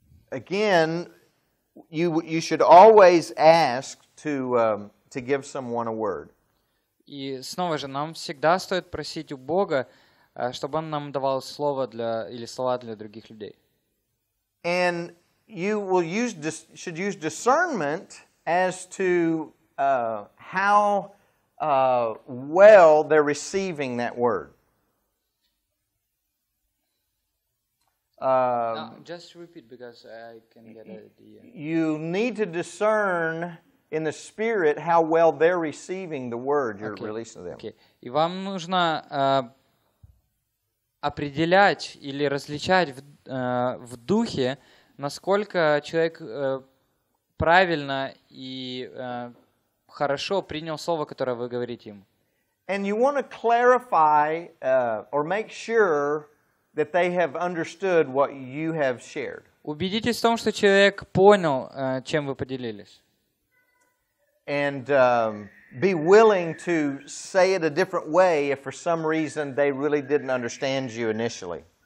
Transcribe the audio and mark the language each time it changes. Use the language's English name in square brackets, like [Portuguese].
[English] Again, you should always ask to give someone a word. [Russian] И снова же нам всегда стоит просить у Бога, чтобы он нам давал слово для или слова для других людей. [English] And you will use should use discernment as to how well they're receiving that word. No, just repeat because I can get an idea. You need to discern in the spirit how well they're receiving the word you're okay. releasing to them. Okay. [Russian] И вам нужно определять или различать в духе, насколько человек правильно и хорошо принял слово, которое вы говорите им. [English] And you want to clarify or make sure that they have understood what you have shared. [Russian] Убедитесь в том, что человек понял, чем вы поделились. [English] And be willing to say it a different way if for some reason they really didn't understand you initially.